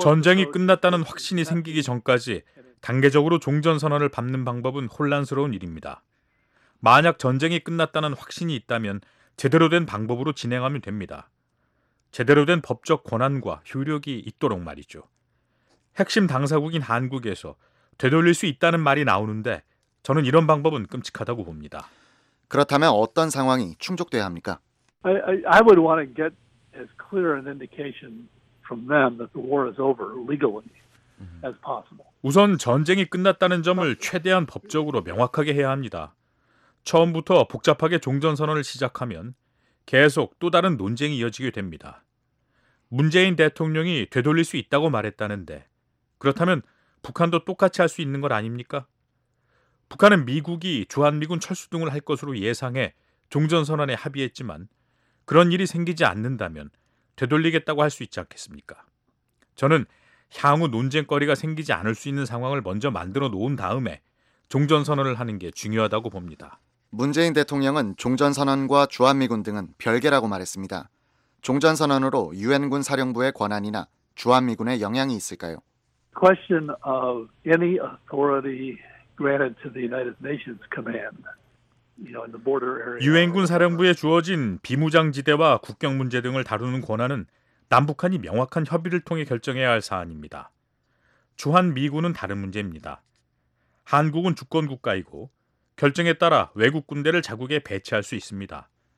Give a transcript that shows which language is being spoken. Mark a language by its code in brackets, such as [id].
[ko] 전쟁이 끝났다는 확신이 생기기 전까지 단계적으로 종전선언을 밟는 방법은 혼란스러운 일입니다. 만약 전쟁이 끝났다는 확신이 있다면 제대로 된 방법으로 진행하면 됩니다. 제대로 된 법적 권한과 효력이 있도록 말이죠. 핵심 당사국인 한국에서 되돌릴 수 있다는 말이 나오는데 저는 이런 방법은 끔찍하다고 봅니다. 그렇다면 어떤 상황이 충족돼야 합니까? [en] I would want to get as clear an indication from them that the war is over legally as possible. [ko] 우선 전쟁이 끝났다는 점을 최대한 법적으로 명확하게 해야 합니다. 처음부터 복잡하게 종전선언을 시작하면 계속 또 다른 논쟁이 이어지게 됩니다. 문재인 대통령이 되돌릴 수 있다고 말했다는데 그렇다면 북한도 똑같이 할 수 있는 것 아닙니까? 북한은 미국이 주한미군 철수 등을 할 것으로 예상해 종전선언에 합의했지만 그런 일이 생기지 않는다면 되돌리겠다고 할 수 있지 않겠습니까? 저는 향후 논쟁거리가 생기지 않을 수 있는 상황을 먼저 만들어 놓은 다음에 종전선언을 하는 게 중요하다고 봅니다. 문재인 대통령은 종전선언과 주한미군 등은 별개라고 말했습니다. 종전선언으로 유엔군 사령부의 권한이나 주한미군의 영향이 있을까요? [en] Question of any authority granted to the United Nations command, you know, in the border area. [ko] 유엔군 사령부에 주어진 비무장지대와 국경 문제 등을 다루는 권한은 남북한이 명확한 협의를 통해 결정해야 할 사안입니다. 주한미군은 다른 문제입니다. 한국은 주권 국가이고 결정에 따라 외국 군대를 자국에 배치할 수 있습니다.